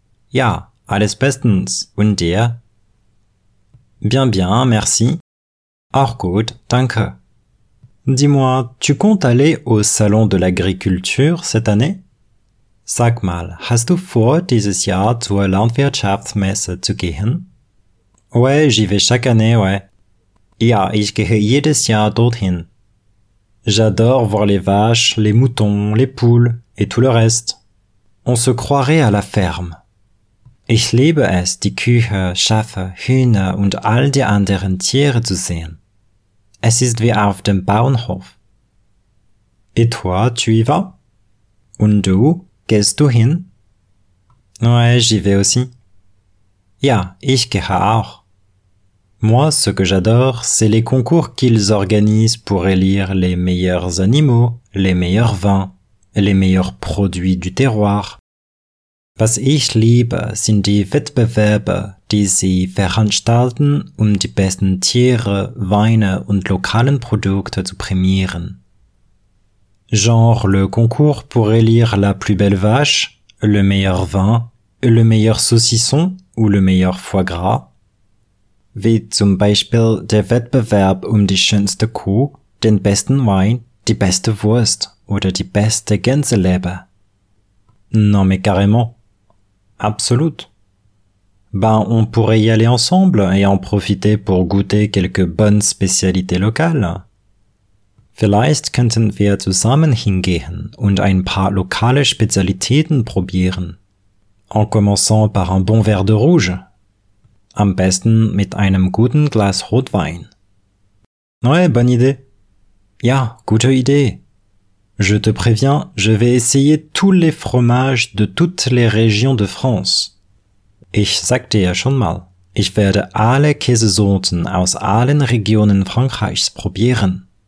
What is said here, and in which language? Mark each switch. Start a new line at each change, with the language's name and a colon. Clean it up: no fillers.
German: Ja, alles bestens, und dir?
French: Bien, bien, merci.
German: Auch gut, danke.
French: Dis-moi, tu comptes aller au Salon de l'agriculture cette année?
German: Sag mal, hast du vor, dieses Jahr zur Landwirtschaftsmesse zu gehen?
French: Ouais, j'y vais chaque année, ouais.
German: Ja, ich gehe jedes Jahr dorthin.
French: J'adore voir les vaches, les moutons, les poules et tout le reste. On se croirait à la ferme.
German: Ich liebe es, die Kühe, Schafe, Hühner und all die anderen Tiere zu sehen. Es ist wie auf dem Bauernhof.
French: Et toi, tu y vas?
German: Und du, gehst du hin?
French: Ouais, j'y vais aussi.
German: Ja, ich gehe auch.
French: Moi, ce que j'adore, c'est les concours qu'ils organisent pour élire les meilleurs animaux, les meilleurs vins, les meilleurs produits du terroir.
German: Was ich liebe, sind die Wettbewerbe, die sie veranstalten, um die besten Tiere, Weine und lokalen Produkte zu prämieren.
French: Genre le concours pour élire la plus belle vache, le meilleur vin, le meilleur saucisson ou le meilleur foie gras.
German: Wie zum Beispiel der Wettbewerb um die schönste Kuh, den besten Wein, die beste Wurst oder die beste Gänseleber.
French: Non mais carrément. Absolute. Ben, on pourrait y aller ensemble et en profiter pour goûter quelques bonnes spécialités locales.
German: Vielleicht könnten wir zusammen hingehen und ein paar lokale Spezialitäten probieren.
French: En commençant par un bon verre de rouge.
German: Am besten mit einem guten Glas Rotwein.
French: Ouais, bonne idée.
German: Ja, gute Idee.
French: Je te préviens, je vais essayer tous les fromages de toutes les régions de France.
German: Ich sag dir schon mal, ich werde alle Käsesorten aus allen Regionen Frankreichs probieren.